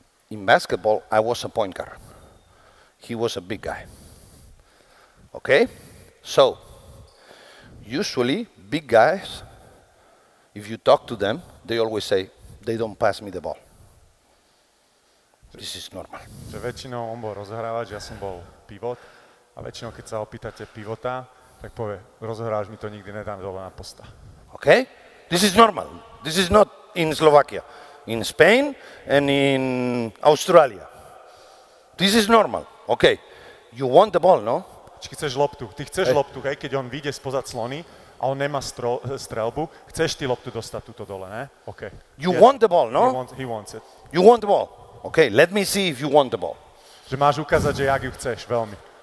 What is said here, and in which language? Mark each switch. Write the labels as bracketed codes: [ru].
[en] In basketball, I was a point guard. He was a big guy. Okay? So, usually, big guys, if you talk to them, they always say, they don't pass me the ball. This is normal. [sk] Že väčšinou on bol rozhrávač, ja som bol pivot. A väčšinou, keď sa opýtate pivota, tak povie, rozhrávač mi to nikdy nedá dole na posta. [en] Okay? This is normal. This is not in Slovakia. In Spain and in Australia. This is normal. Okay. You want the ball, no? [sk] Či chceš loptu. Ty chceš loptu, hej, keď on vyjde spoza clony a on nemá strelbu, chceš ty loptu dostať túto dole, ne? Okay. [en] You want the ball, no? He wants it. You want the ball. Okay, let me see if you want the ball. [sk] Že máš ukázať, že jak ju chceš, veľmi.